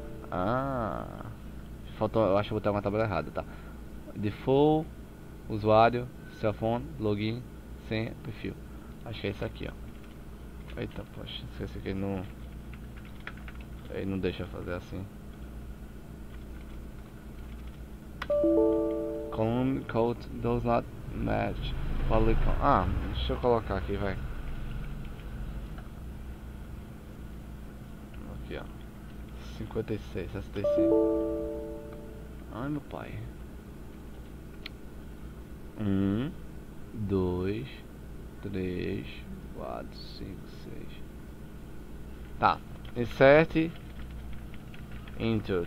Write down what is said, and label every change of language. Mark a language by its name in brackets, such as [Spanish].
[Portuguese] Ah, faltou, eu acho que eu botei uma tabela errada, tá? Default, usuário, cellphone, login, senha, perfil. Acho que é isso aqui, ó. Eita, poxa, esqueci que ele não deixa fazer assim. [English] Column code does not match. [Portuguese] Ah, deixa eu colocar aqui, vai. 56, 65. Ai, meu pai. 1, 2, 3, 4, 5, 6. Tá. Insert. Enter.